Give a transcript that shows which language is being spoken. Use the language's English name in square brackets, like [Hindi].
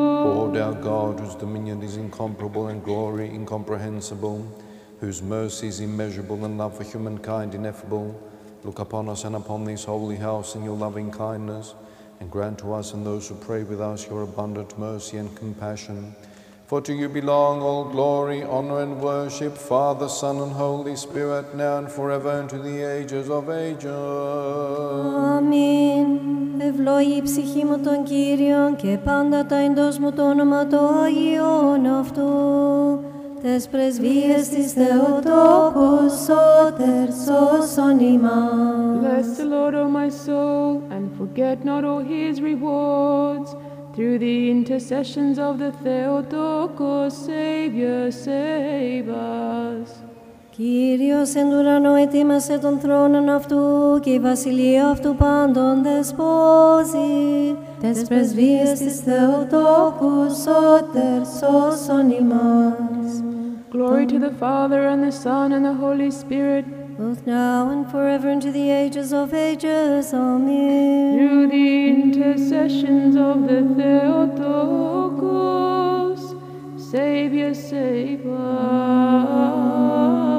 [English] Lord our God, whose dominion is incomparable and glory incomprehensible, whose mercy is immeasurable and love for humankind ineffable, look upon us and upon this holy house in your loving kindness, and grant to us and those who pray with us your abundant mercy and compassion. For to you belong all glory, honor, and worship, Father, Son, and Holy Spirit, now and forever, and to the ages of ages. Amen. [Greek] Ευλογεί η ψυχή μου τον Κύριον και πάντα τα εντός μου το όνομα το Άγιον αυτού. Τες πρεσβείες της Θεοτόκος σώτερ σώσον ημάς. [English] Bless the Lord, O my soul, and forget not all his rewards. Through the intercessions of the Theotokos, Savior, save us. [Greek] Κύριος εν ουρανώ ετοίμασε τον θρόνον αυτού και η βασιλεία αυτού πάντων δεσπόζει. Τες πρεσβείες της Θεοτόκου σώτερ σώσον ημάς. [English] Glory to the Father, and the Son, and the Holy Spirit. Both now and forever into the ages of ages. Amen. Through the intercessions of the Theotokos, Savior, save us.